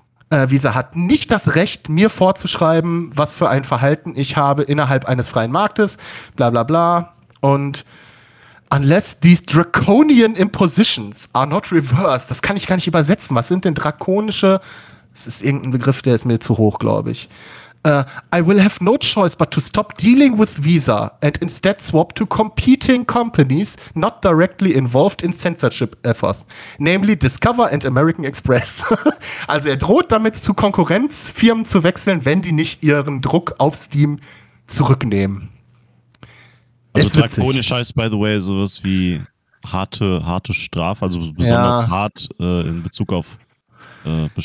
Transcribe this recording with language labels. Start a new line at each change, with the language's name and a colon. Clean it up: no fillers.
German: Visa hat nicht das Recht, mir vorzuschreiben, was für ein Verhalten ich habe innerhalb eines freien Marktes, bla bla bla. Und
English: unless these draconian impositions are not reversed,
German: das kann ich gar nicht übersetzen. Was sind denn drakonische? Das ist irgendein Begriff, der ist mir zu hoch, glaube ich.
English: I will have no choice but to stop dealing with Visa and instead swap to competing companies not directly involved in censorship efforts, namely Discover and American Express.
German: Also er droht damit, zu Konkurrenzfirmen zu wechseln, wenn die nicht ihren Druck auf Steam zurücknehmen. Also drakonisch heißt,
English: by the way,
German: sowas wie harte Strafe, also besonders ja. Hart in Bezug auf Bestrafung.